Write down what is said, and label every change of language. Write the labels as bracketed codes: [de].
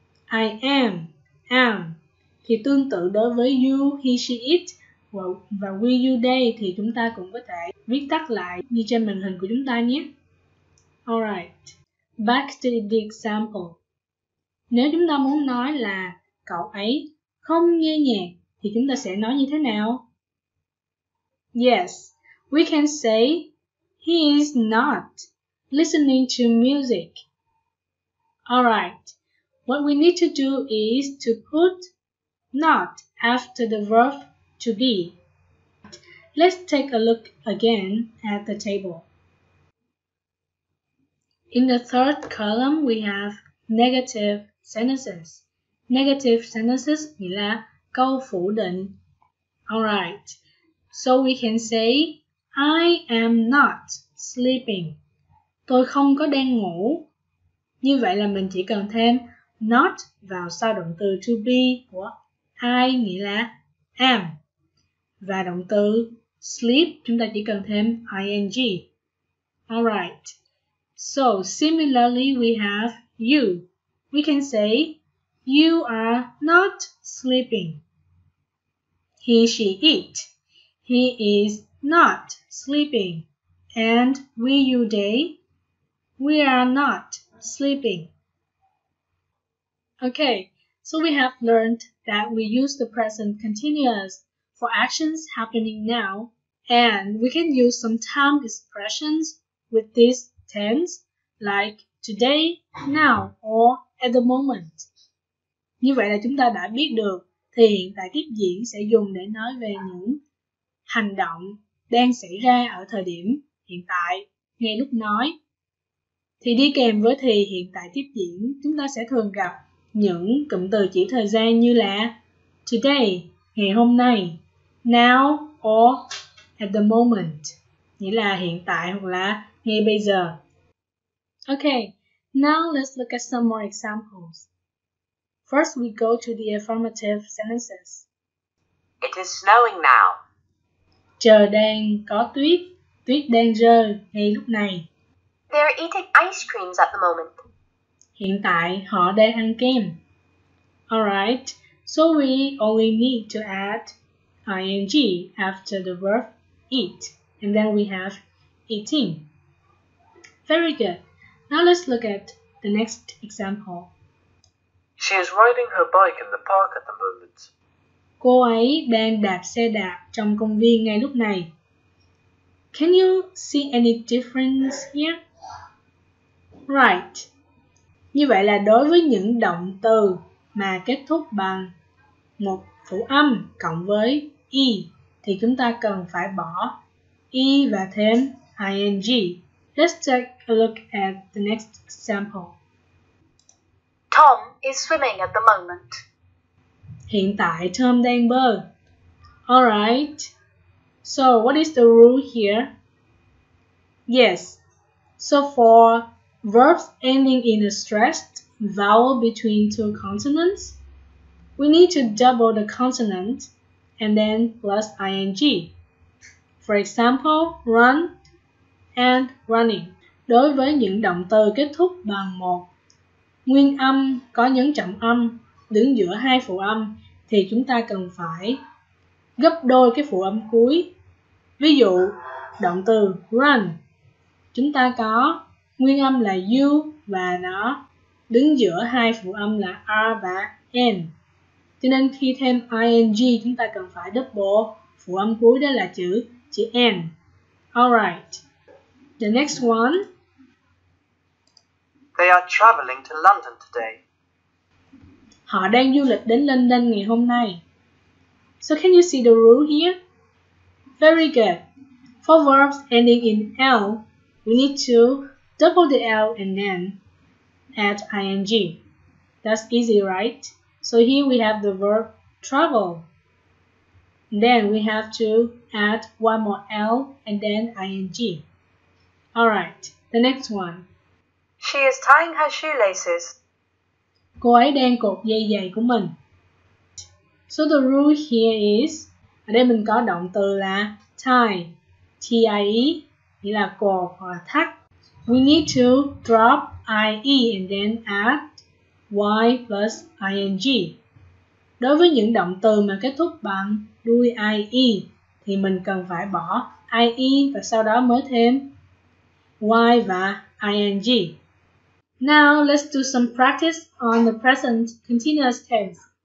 [en] I am, am. [vi] Thì tương tự đối với you, he, she, it và we, you, they thì chúng ta cũng có thể viết tắt lại như trên màn hình của chúng ta nhé. [en] Alright, back to the example. [vi] Nếu chúng ta muốn nói là cậu ấy không nghe nhạc thì chúng ta sẽ nói như thế nào? [en] Yes. We can say, he is not listening to music. Alright, what we need to do is to put not after the verb to be. Let's take a look again at the table. In the third column, we have negative sentences. Negative sentences [vi] nghĩa là câu phủ định. [en] Alright, so we can say, I am not sleeping. [vi] Tôi không có đang ngủ. Như vậy là mình chỉ cần thêm not vào sau động từ to be của I, nghĩa là am. Và động từ sleep chúng ta chỉ cần thêm ing. [en] Alright. So similarly we have you. We can say you are not sleeping. He, she, it. He is not sleeping. And we, you, they. We are not sleeping. Okay, so we have learned that we use the present continuous for actions happening now, and we can use some time expressions with this tense, like today, now, or at the moment. [vi] Như vậy là chúng ta đã biết được thì hiện tại tiếp diễn sẽ dùng để nói về những hành động đang xảy ra ở thời điểm hiện tại, ngay lúc nói. Thì đi kèm với thì hiện tại tiếp diễn, chúng ta sẽ thường gặp những cụm từ chỉ thời gian như là today, ngày hôm nay, [en] now or at the moment, [vi] nghĩa là hiện tại hoặc là ngay bây giờ. [en] Okay, now let's look at some more examples. First, we go to the affirmative sentences. It is snowing now. [vi] Trời đang có tuyết, tuyết đang rơi ngay lúc này. [en] They are eating ice creams at the moment. [vi] Hiện tại họ đang ăn kem. [en] Alright, so we only need to add ing after the verb eat. And then we have eating. Very good. Now let's look at the next example. She is riding her bike in the park at the moment. [vi] Cô ấy đang đạp xe đạp trong công viên ngay lúc này. [en] Can you see any difference here? Right. [vi] Như vậy là đối với những động từ mà kết thúc bằng một phụ âm cộng với e thì chúng ta cần phải bỏ e và thêm ing. [en] Let's take a look at the next example. Tom is swimming at the moment. [vi] Hiện tại Tom đang bơi. [en] Alright. So what is the rule here? Yes. So for verbs ending in a stressed vowel between two consonants, we need to double the consonant and then plus ing. For example, run and running. [vi] Đối với những động từ kết thúc bằng một nguyên âm có nhấn trọng âm đứng giữa hai phụ âm thì chúng ta cần phải gấp đôi cái phụ âm cuối. Ví dụ, động từ run, chúng ta có nguyên âm là U và nó đứng giữa hai phụ âm là R và N. Cho nên khi thêm ing, chúng ta cần phải double phụ âm cuối, đó là chữ N. [en] Alright, the next one. They are traveling to London today. [vi] Họ đang du lịch đến London ngày hôm nay. [en] So can you see the rule here? Very good. For verbs ending in L, we need to double the L and then add ing. That's easy, right? So here we have the verb travel. Then we have to add one more L and then ing. Alright, the next one. She is tying her shoelaces. [vi] Cô ấy đang cột dây giày của mình. [en] So the rule here is, [vi] ở đây mình có động từ là tie, T-I-E, nghĩa là cột hoặc thắt. [en] We need to drop I-E and then add Y plus I-N-G. [vi] Đối với những động từ mà kết thúc bằng đuôi I-E, thì mình cần phải bỏ I-E và sau đó mới thêm Y và I-N-G. [en] Now, let's do some practice on the present continuous tense.